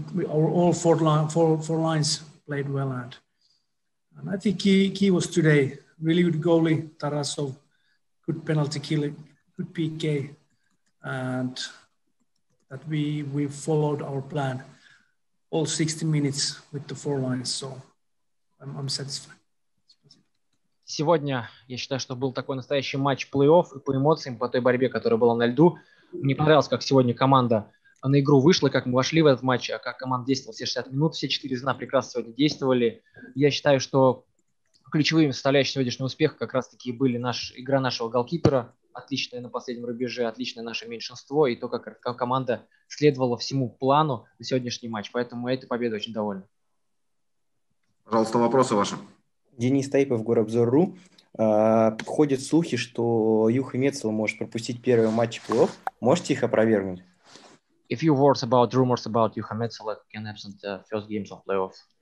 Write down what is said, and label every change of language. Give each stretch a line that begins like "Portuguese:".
English: All four lines played well, and I think key was today. Really good goalie Tarasov, good penalty killer, good PK, and that we followed our plan all 60 minutes with the four lines. So I'm satisfied.
Russian: Сегодня я считаю, что был такой настоящий матч плей-офф по эмоциям, по той борьбе, которая была на льду. Мне понравилось, как сегодня команда на игру вышла, как мы вошли в этот матч, а как команда действовала все 60 минут, все 4 звена прекрасно сегодня действовали. Я считаю, что ключевыми составляющими сегодняшнего успеха как раз-таки были игра нашего голкипера, отличная на последнем рубеже, отличное наше меньшинство и то, как команда следовала всему плану на сегодняшний матч. Поэтому я этой победой очень доволен. Пожалуйста, вопросы ваши. Денис Тайпов, Горобзор.ру. Ходят слухи, что Юха Мецел может пропустить первый матч плей-офф. Можете их опровергнуть?
English: A few words about rumors about Juha Metsola can absent first games of playoffs.